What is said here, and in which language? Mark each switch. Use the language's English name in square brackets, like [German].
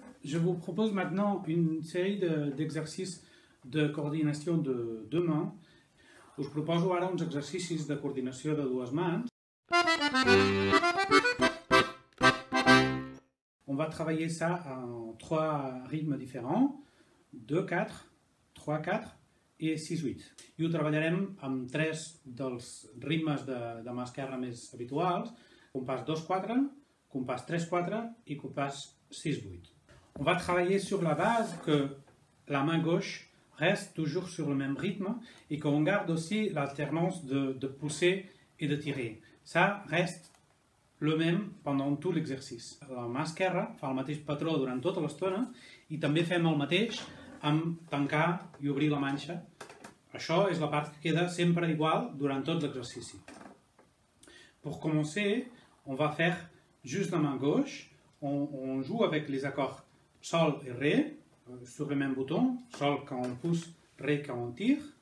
[French] Je vous propose maintenant une série d'exercices de coordination de deux mains. Vous proposez maintenant des exercices de coordination de deux mains. On va travailler ça en trois rythmes différents. 2-4, 3-4 et 6-8. [Catalan] I ho treballarem amb tres dels ritmes de mà esquerra més habituals. Compàs 2-4, compàs 3-4 i compàs 6-8. [French] On va travailler sur la base que la main gauche reste toujours sur le même rythme et qu'on garde aussi l'alternance de pousser et de tirer. Ça reste le même pendant tout l'exercice. [Catalan] La mà esquerra fa el mateix patró durant tota l'estona i també fem el mateix amb tancar i obrir la manxa. Això és la part que queda sempre igual durant tot l'exercici. [French] Pour commencer, on va faire juste la main gauche. On joue avec les accords Sol et Ré sur le même bouton. Sol quand on pousse, Ré quand on tire.